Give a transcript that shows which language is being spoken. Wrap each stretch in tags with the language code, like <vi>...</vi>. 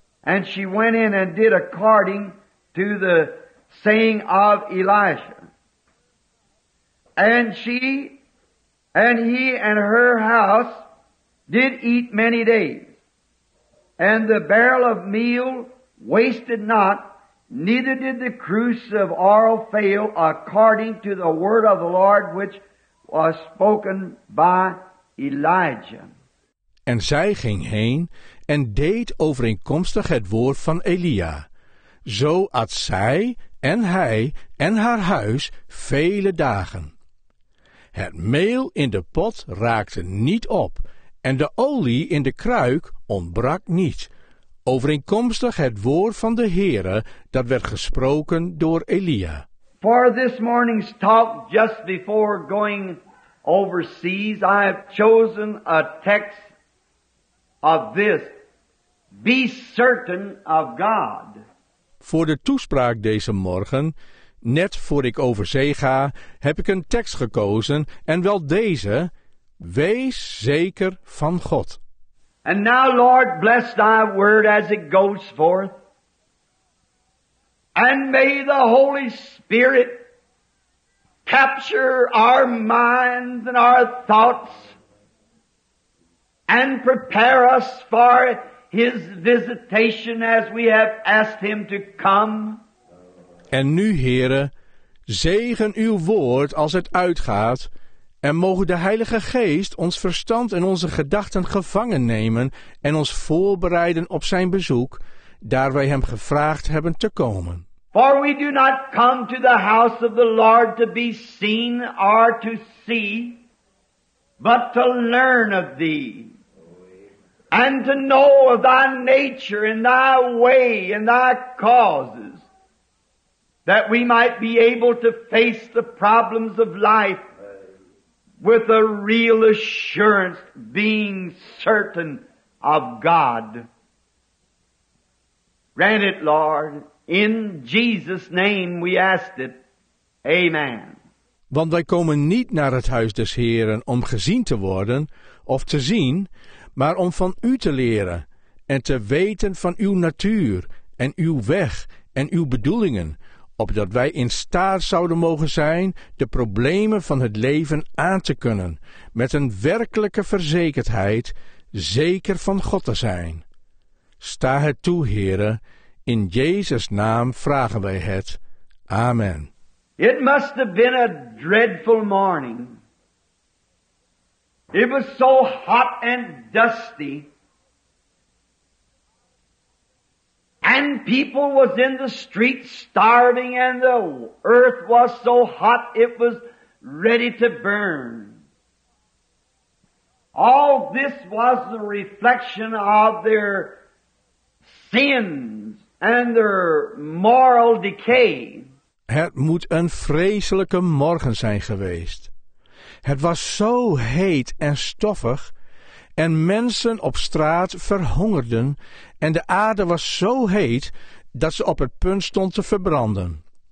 <en>And she went in and did according to the saying of Elisha. And she and he and her house did eat many days. And the barrel of meal wasted not, neither did the cruse of oil fail, according to the word of the Lord which was spoken by Elijah.</en> <nl>En zij ging heen en deed overeenkomstig het woord van Elia. Zo at zij en hij en haar huis vele dagen. Het meel in de pot raakte niet op, en de olie in de kruik ontbrak niet, overeenkomstig het woord van de Heere dat werd gesproken door Elia.</nl> <en>For this morning's talk, just before going overseas, I have chosen a text of this, be certain of God.</en> <nl>Voor de toespraak deze morgen, net voor ik over zee ga, heb ik een tekst gekozen, en wel deze, wees zeker van God.</nl> <en>And now, Lord, bless thy word as it goes forth. And may the Holy Spirit capture our minds and our thoughts and prepare us for his visitation as we have asked him to come.</en> <nl>En nu, Heere, zegen uw woord als het uitgaat, en mogen de Heilige Geest ons verstand en onze gedachten gevangen nemen en ons voorbereiden op zijn bezoek, daar wij hem gevraagd hebben te komen.</nl> <en>For we do not come to the house of the Lord to be seen or to see, but to learn of thee, and to know of thy nature and thy way and thy causes, that we might be able to face the problems of life with a real assurance, being certain of God. Grant it, Lord, in Jesus' name we ask it. Amen.</en> <nl>Want wij komen niet naar het huis des Heren om gezien te worden of te zien, maar om van u te leren en te weten van uw natuur en uw weg en uw bedoelingen, opdat wij in staat zouden mogen zijn de problemen van het leven aan te kunnen, met een werkelijke verzekerdheid, zeker van God te zijn. Sta het toe, Heere, in Jezus' naam vragen wij het. Amen.</nl> <en>It must have been a dreadful morning. It was so hot and dusty. And people was in the streets starving, and the earth was so hot it was ready to burn. All this was the reflection of their sins and their moral decay.</en> <nl>Het moet een vreselijke morgen zijn geweest. Het was zo heet en stoffig, en mensen op straat verhongerden, en de aarde was zo heet dat ze op het punt stond te verbranden.</nl>